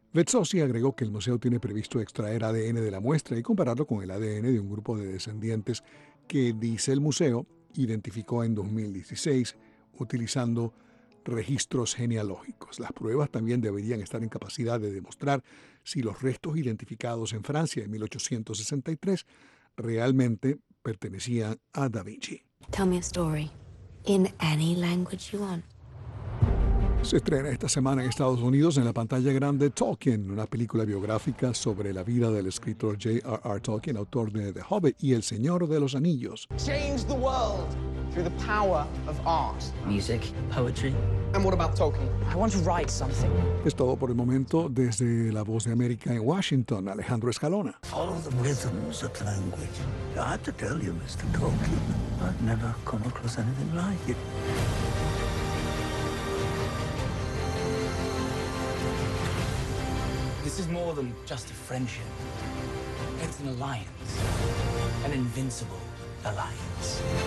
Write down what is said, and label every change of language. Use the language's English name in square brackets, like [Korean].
[Spanish] Bezzosi agregó que el museo tiene previsto extraer ADN de la muestra y compararlo con el ADN de un grupo de descendientes que, dice el museo, identificó en 2016 utilizando registros genealógicos. Las pruebas también deberían estar en capacidad de demostrar si los restos identificados en Francia en 1863 realmente pertenecían a Da Vinci. [English] Tell me a story in any language you want. [Spanish] Se estrena esta semana en Estados Unidos en la pantalla grande Tolkien, una película biográfica sobre la vida del escritor J.R.R. Tolkien, autor de The Hobbit y El Señor de los Anillos. [English] Change the world through the power of art. Music, poetry. And what about Tolkien? I want to write something. [Spanish] Es todo por el momento desde La Voz de América en Washington, Alejandro Escalona. [English] Follow the rhythms of the language. I have to tell you, Mr. Tolkien, I've never come across anything like it. This is more than just a friendship. It's an alliance. An invincible alliance.